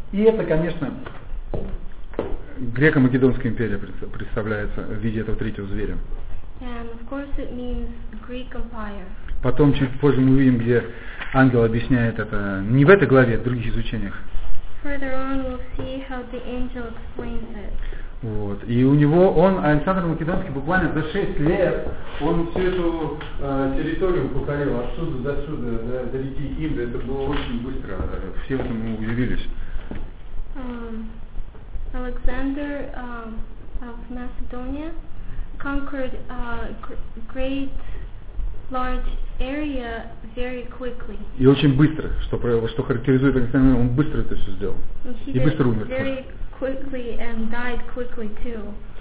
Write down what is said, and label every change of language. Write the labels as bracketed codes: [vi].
[ru] И это, конечно, Греко-Македонская империя представляется в виде этого третьего зверя. [en] And of course it means Greek Empire. [ru] Потом, чуть позже, мы увидим, где ангел объясняет это не в этой главе, а в других изучениях. [en] Further on we'll see how the angel explains it. [ru] Вот. И у него, он, Александр Македонский, буквально за 6 лет он всю эту территорию покорил, отсюда до сюда, до реки Инда. Это было очень быстро, все в этом удивились. [en] Alexander of Macedonia conquered a great large area very quickly. [ru] И очень быстро, что характеризует Александра, он быстро это все сделал. И быстро умер. [en] Very quickly and died quickly too.